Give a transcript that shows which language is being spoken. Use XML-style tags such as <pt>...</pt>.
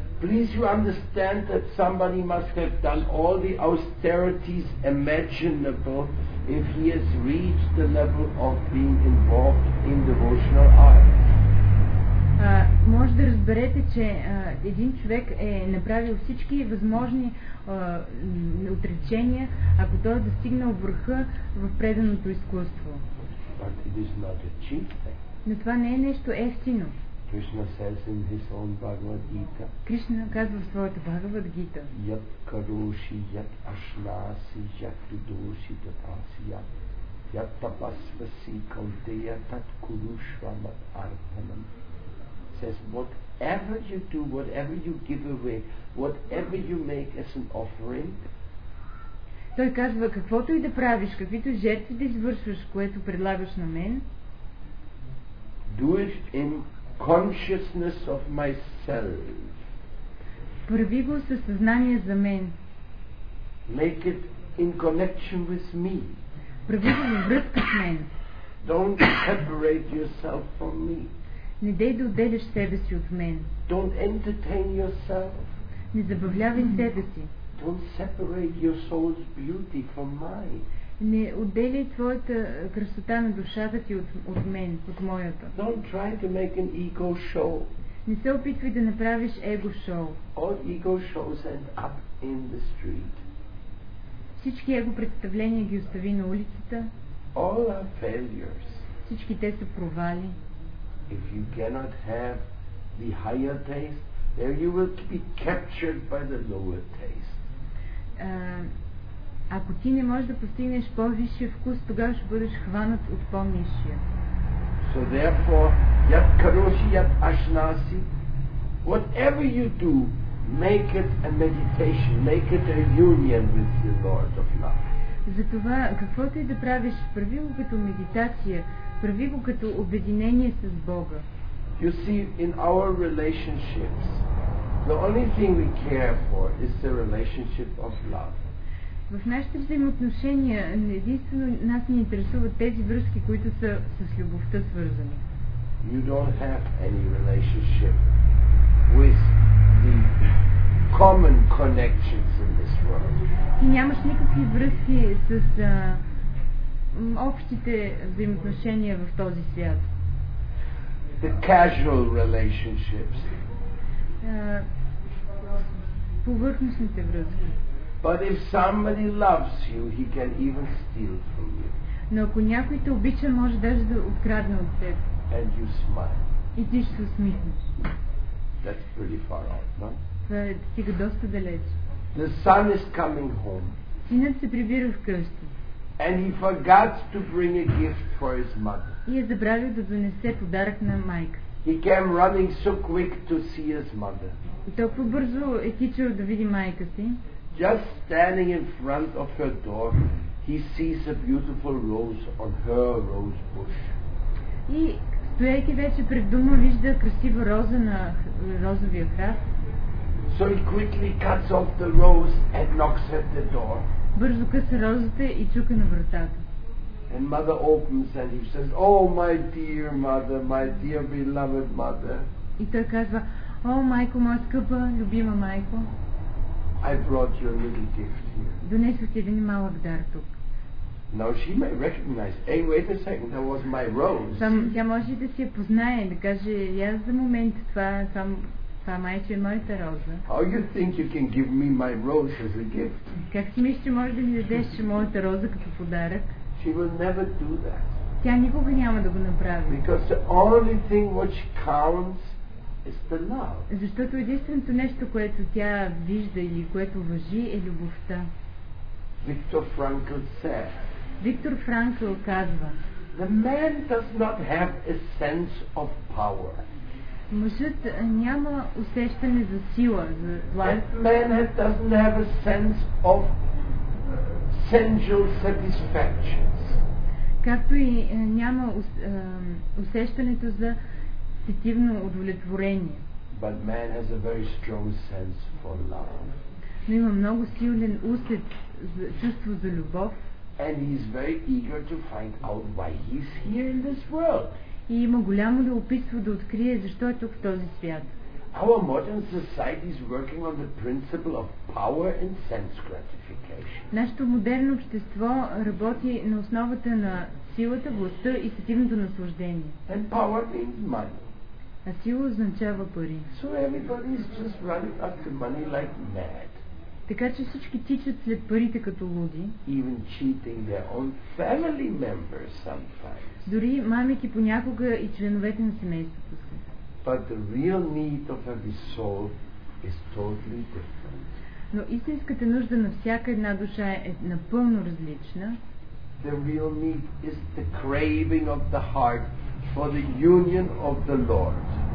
<en>Please you understand that somebody must have done all the austerities imaginable if he has reached the level of being involved in devotional art.</en> <bg>Може да разберете, че един човек е направил всички възможни отречения, ако той е достигнал върха в преданото изкуство.</bg> <en>But it is not a cheap thing.</en> <bg>Но това не е нещо евтино.</bg> <en>Krishna says in his own Bhagavad Gita.</en> <bg>Krishna казва в своята Bhagavad Gita.</bg> <sa>Yat karoshi yat ashnasi yat dushi tatasi yat. Yat tapasvasi kaldeya tat kurushva mat arpanam.</sa> <en>Says whatever you do, whatever you give away, whatever you make as an offering.</en> <bg>Той казва, каквото и да правиш, каквито жертви да извършваш, което предлагаш на мен.</bg> <en>Do it in consciousness of myself.</en> <bg>Прави го със съзнание за мен.</bg> <en>Make it in connection with me.</en> <bg>Прави го във връзка с мен.</bg> <en>Don't separate yourself from me.</en> <bg>Не дей да отделяш себе си от мен.</bg> <en>Don't entertain yourself.</en> <bg>Не забавлявай себе си.</bg> <en>Don't separate your soul's beauty from mine.</en> <bg>Не отделяй твоята красота на душата ти от мен, от моята.</bg> <en>Don't try to make an ego show.</en> <bg>Не се опитвай да направиш его шоу.</bg> <en>All ego shows end up in the street.</en> <bg>Всички его представления ги остави на улицата.</bg> <en>All are failures.</en> <bg>Всички те са провали.</bg> <en>If you cannot have the higher taste, there you will be captured by the lower taste.</en> <bg>Ако ти не можеш да постигнеш по-висшия вкус, тогава ще бъдеш хванат от по-нисшия.</bg> <en>So therefore,</en> <sa>yat karoshi yat ashnasi,</sa> <en>whatever you do, make it a meditation, make it a union with the Lord of Love.</en> <bg>Затова каквото и да правиш, прави го като медитация, прави го като обединение с Бога.</bg> <en>You see, in our relationships, the only thing we care for is the relationship of love.</en> <bg>В нашите взаимоотношения единствено нас ни интересуват тези връзки, които са с любовта свързани.</bg> <en>You don't have any relationship with the common connections in this world.</en> <bg>Ти нямаш никакви връзки с общите взаимоотношения в този свят.</bg> <en>the casual relationships.</en> <bg>Повърхностните връзки.</bg> <en>But if somebody loves you, he can even steal from you.</en> <bg>Но ако някой те обича, може даже да открадне от теб.</bg> <en>And you smile.</en> <bg>И ти ще се усмихнеш.</bg> <en>That's pretty far off, no?</en> <bg>Това стига доста далеч.</bg> <en>The son is coming home.</en> <bg>Синът се прибира вкъщи.</bg> <en>And he forgot to bring a gift for his mother.</en> <bg>И е забравил да донесе подарък на майка.</bg> <en>He came running so quick to see his mother.</en> <bg>И толкова бързо е кичал да види майка си.</bg> <en>Just standing in front of her door, he sees a beautiful rose on her rose bush.</en> <bg>И стоейки вече пред дома, вижда красива роза на розовия храст.</bg> <en>So he quickly cuts off the rose and knocks at the door.</en> <bg>Бързо къса розата и чука на вратата.</bg> <en>And mother opens and he says, "Oh, my dear mother, my dear beloved mother."</en> <bg>И той казва, "О, майко, моя скъпа, любима майко."</bg> <en>I brought you a little gift here.</en> <bg>Донесох ти един малък дар тук.</bg> <en>Now she may recognize, "Hey, wait a second, that was my rose."</en> <bg>Тя може да си я познае, да каже, "Я за момент това майче е моята роза."</bg> <en>How you think you can give me my rose as a gift?</en> <bg>Как си мислиш, че можеш да ми дадеш моята роза като подарък?</bg> <en>She will never do that.</en> <bg>Тя никога няма да го направи.</bg> <en>Because the only thing which counts is the love.</en> <bg>Защото единственото нещо, което тя вижда или което важи, е любовта.</bg> <en>Виктор Франкъл said.</en> <bg>Виктор Франкъл казва.</bg> <en>The man does not have a sense of power.</en> <bg>Мъжът няма усещане за сила, за власт.</bg> <en>That man doesn't have a sense of sensual satisfactions.</en> <bg>Както и няма усещането за позитивно удовлетворение.</bg> <en>But man has a very strong sense for love.</en> <bg>Но има много силен усет, чувство за любов.</bg> <en>And he is very eager to find out why he's here in this world.</en> <bg>И има голямо любопитство да открие защо е тук в този свят.</bg> <en>Our modern society is working on the principle of power and sense gratification.</en> <bg>Нашето модерно общество работи на основата на силата, властта и позитивното наслаждение.</bg> <en>And power means money.</en> <bg>А сила означава пари.</bg> <en>So everybody is just running after money like mad.</en> <bg>Така че всички тичат след парите като луди.</bg> <en>Even cheating their own family members sometimes.</en> <bg>Дори мамики понякога и членовете на семейството си.</bg> <en>But the real need of every soul is totally different.</en> <bg>Но истинската нужда на всяка една душа е напълно различна.</bg> <en>The real need is the craving of the heart for the union of the Lord.</en>